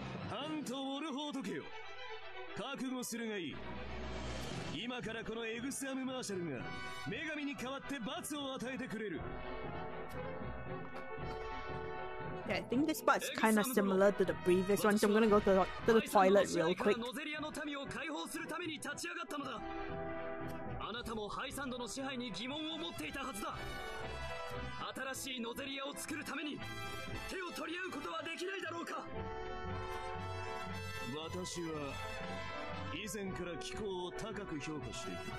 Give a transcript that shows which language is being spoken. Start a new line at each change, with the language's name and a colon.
Japanese: ハント・ウォルフォート家よ、覚悟するがいい。今からこのエグスアムマーシャルが女神に代わって罰を与えてくれる。
English: Yeah, I think this part is kind of similar to the previous one, so I'm gonna go to the toilet real quick.
Japanese: ノゼリアの民を解放するために立ち上がったのだ。あなたもハイサンドの支配に疑問を持っていたはずだ。新しいノゼリアを作るために手を取り合うことはできないだろうか。私は以前から気候を高く評価している。